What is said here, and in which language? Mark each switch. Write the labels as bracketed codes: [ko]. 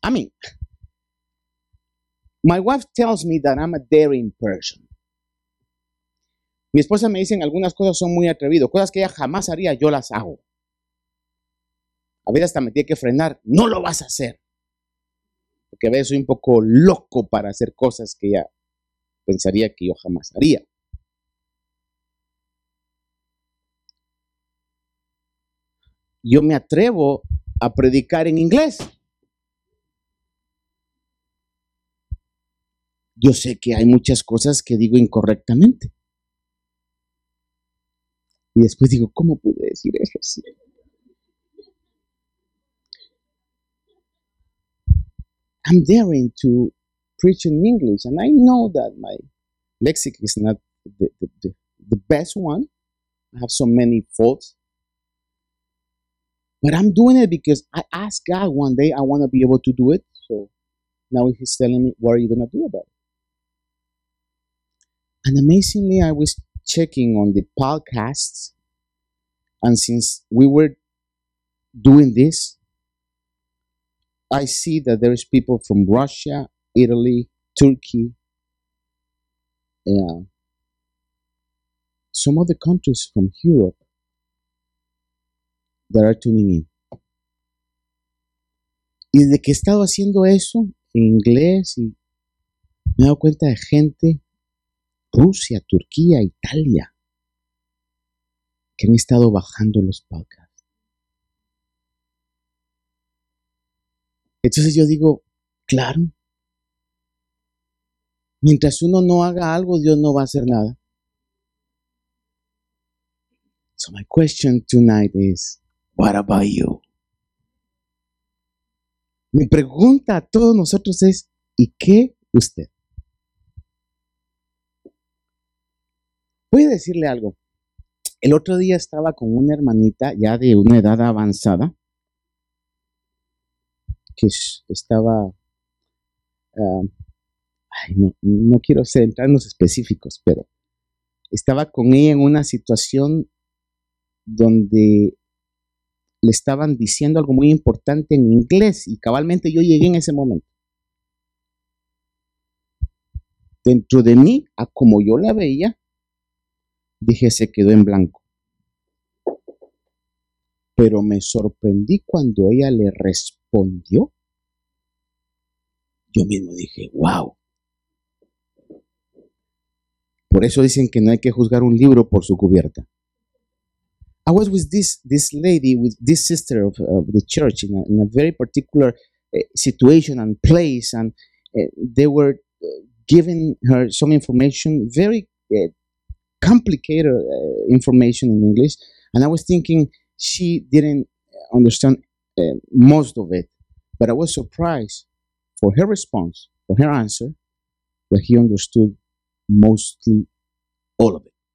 [en] I mean, my wife tells me that I'm a daring person. [es] Mi esposa me dice, algunas cosas son muy atrevidas, cosas que ella jamás haría, yo las hago. A veces hasta me tiene que frenar, no lo vas a hacer. Porque a veces soy un poco loco para hacer cosas que ella pensaría que yo jamás haría. Yo me atrevo a predicar en inglés. Yo sé que hay muchas cosas que digo incorrectamente. Y después digo, ¿cómo pude decir eso así? [en] I'm daring to preach in English, and I know that my lexic is not the best one. I have so many faults. But I'm doing it because I asked God one day, I want to be able to do it. So now he's telling me, what are you going to do about it? And amazingly, I was checking on the podcasts. And since we were doing this, I see that there is people from Russia, Italy, Turkey, some other countries from Europe that are tuning in. [es] Y desde que he estado haciendo eso en inglés, y me he dado cuenta de gente, Rusia, Turquía, Italia, que han estado bajando los podcasts. Entonces yo digo, claro, mientras uno no haga algo, Dios no va a hacer nada. [en] So my question tonight is, what about you? [es] Mi pregunta a todos nosotros es, ¿y qué usted? Voy a decirle algo. El otro día estaba con una hermanita ya de una edad avanzada, que estaba, no quiero entrar en los específicos, pero estaba con ella en una situación donde le estaban diciendo algo muy importante en inglés, y cabalmente yo llegué en ese momento. Dentro de mí, a como yo la veía, dije, se quedó en blanco. Pero me sorprendí cuando ella le respondió. Yo mismo dije, wow. Por eso dicen que no hay que juzgar un libro por su cubierta. [en] I was with this lady, with this sister of the church, in a very particular situation and place, and they were giving her some information, very complicated information in English, and I was thinking, she didn't understand most of it, but I was surprised for her response, for her answer, that he understood mostly all of it.